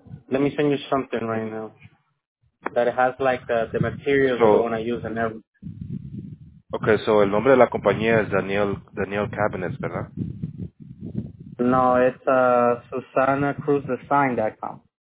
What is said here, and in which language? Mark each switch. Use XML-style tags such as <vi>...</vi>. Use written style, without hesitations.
<en>Let me send you something right now. That it has like the materials so, that I want to use and everything. Okay, so</en> <es>el nombre de la compañía es Daniel Cabinets, ¿verdad?</es> <en>No, it's SusanaCruzDesign.com.</en>